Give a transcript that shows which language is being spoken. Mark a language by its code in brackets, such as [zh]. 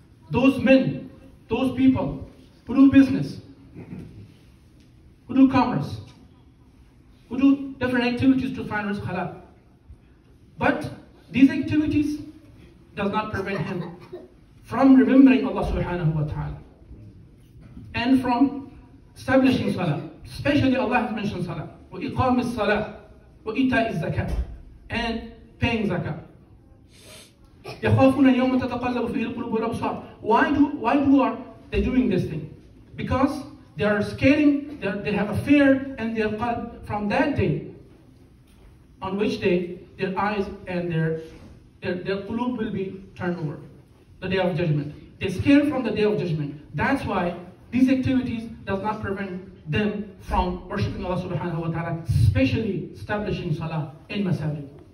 [en] Those men, those people, who do business, who do commerce, who do different activities to find rizq halal. But these activities does not prevent him from remembering Allah subhanahu wa ta'ala and from establishing salah. Especially Allah has mentioned salah. [ar] وَإِقَامِ الصَّلَاةِ وإيتاء الزكاة [en] and paying [ar] زكاة. يخافون يوم تتقلب فيه القلوب والأبصار. [en] Why are they doing this thing? Because they are scared. They have a fear and their heart from that day. On which day their eyes and their قلوب will be turned over. The day of judgment. They're scared from the day of judgment. That's why these activities does not prevent them from worshiping Allah subhanahu wa ta'ala, especially establishing salah in masajid.